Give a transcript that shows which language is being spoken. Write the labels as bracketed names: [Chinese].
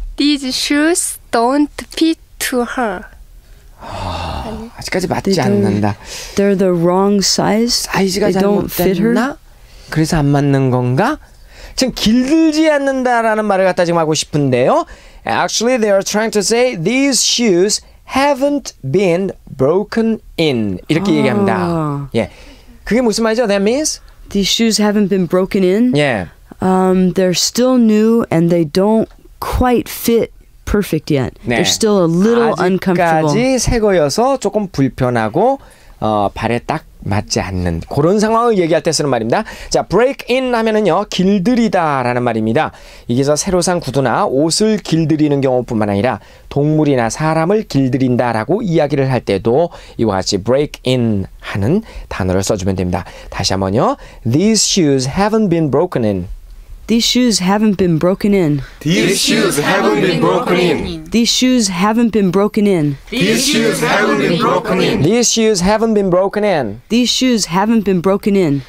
[English] These shoes don't fit to her. [Korean] 아직까지 맞지 they 않는다. [English] They're the wrong size. [Korean] 사이즈가 잘못됐나? 그래서 안 맞는 건가? 지금 길들지 않는다라는 말을 갖다 지금 하고 싶은데요. [English] Actually, they are trying to say these shoes haven't been broken in. [Korean] 이렇게 얘기합니다. 예, 그게 무슨 말이죠? [English] That means these shoes haven't been broken in. Yeah. They're still new and they don't quite fit perfect yet. [Korean] 네. [English] They're still a little uncomfortable. [Korean] 아직까지 새거여서 조금 불편하고 발에 딱 맞지 않는 그런 상황을 얘기할 때 쓰는 말입니다. 자, break in 하면은요, 길들이다라는 말입니다. 이게서 새로 산 구두나 옷을 길들이는 경우뿐만 아니라 동물이나 사람을 길들인다라고 이야기를 할 때도 이와 같이 break in 하는 단어를 써주면 됩니다. 다시 한번요. [English] These shoes haven't been broken in. These shoes haven't been broken in. These shoes haven't been broken in. These shoes haven't been broken in. These shoes haven't been broken in. These shoes haven't been broken in. These shoes haven't been broken in.